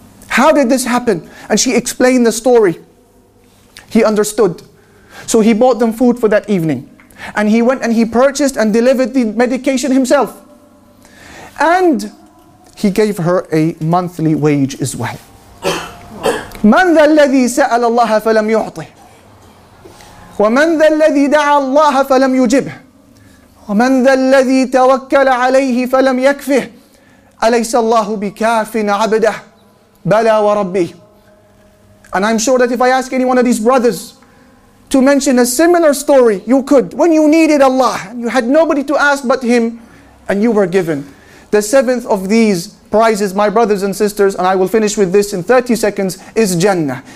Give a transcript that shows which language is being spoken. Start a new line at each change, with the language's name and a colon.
English: How did this happen? And she explained the story. He understood. So he bought them food for that evening. And he went and he purchased and delivered the medication himself. And he gave her a monthly wage as well.
Arabic: من ذا الذي سأل الله فلم يعطي ومن ذا الذي دعا الله فلم يجبه ومن ذا الذي توكل عليه فلم يكفه أليس الله بكاف عبده بلى وربي.
English: And I'm sure that if I ask any one of these brothers to mention a similar story, you could. When you needed Allah, and you had nobody to ask but Him, and you were given. The seventh of these prizes, my brothers and sisters, and I will finish with this in 30 seconds, is Jannah.